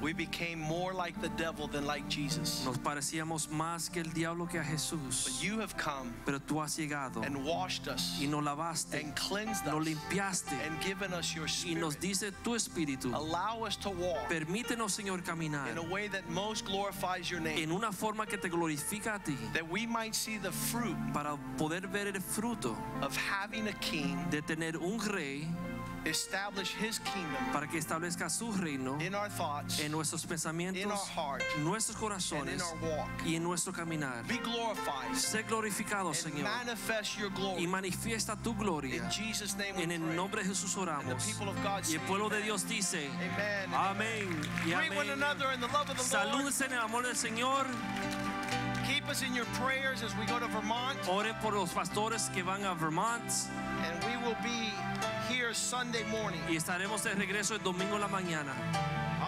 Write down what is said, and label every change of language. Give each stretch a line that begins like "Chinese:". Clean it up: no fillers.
English: We became more like the devil than like Jesus.
Spanish: Nos parecíamos más que el diablo que a Jesús.
English: But you have come,
Spanish: pero tú has llegado,
English: and washed us,
Spanish: y nos lavaste,
English: and cleansed us,
Spanish: nos limpiaste,
English: and given us your spirit.
Spanish: Y nos dice tu espíritu.
English: Allow us to walk.
Spanish: Permítenos, Señor, caminar.
English: In a way that most glorifies your name.
Spanish: En una forma que te glorifica a ti.
English: That we might see the fruit.
Spanish: Para poder ver el fruto.
English: Of having a king.
Spanish: De tener un rey.
English: Establish his kingdom,
Spanish: para que establezca su reino,
English: in our thoughts,
Spanish: en nuestros pensamientos,
English: in our heart,
Spanish: nuestros corazones,
English: and in our walk,
Spanish: y en nuestro caminar.
English: Be glorified,
Spanish: sé glorificado,
English: and
Spanish: Señor,
English: manifest your glory,
Spanish: y manifiesta tu gloria.
English: In Jesus' name,
Spanish: en el nombre de Jesús oramos.
English: And the people of God say,
Spanish: y el pueblo
English: amen.
Spanish: De Dios dice,
English: amen.
Spanish: Amén.
English: Greet one another in the love of the Lord.
Spanish: Salúdense en el amor del Señor.
English: Keep us in your prayers as we go to Vermont.
Spanish: Oren por los pastores que van a Vermont.
English: And we will be here Sunday morning.
Spanish: Y estaremos de regreso el domingo la mañana.